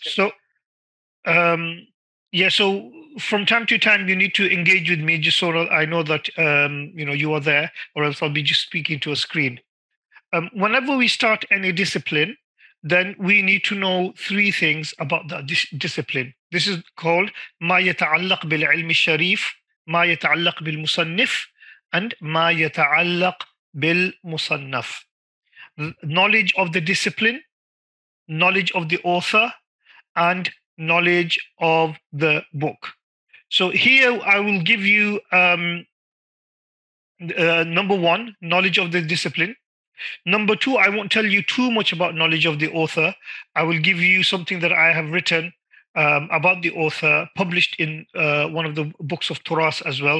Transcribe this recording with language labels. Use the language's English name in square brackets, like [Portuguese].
[English] So, So from time to time, you need to engage with me just so I know that you are there, or else I'll be just speaking to a screen. Whenever we start any discipline, then we need to know three things about that discipline. This is called [Arabic] ما يتعلق بالعلم الشريف, ما يتعلق بالمصنف, and ما يتعلق بالمصنف. [English] Knowledge of the discipline, knowledge of the author, and knowledge of the book. So here I will give you number one, knowledge of the discipline. Number two, I won't tell you too much about knowledge of the author. I will give you something that I have written about the author, published in one of the books of Turas as well.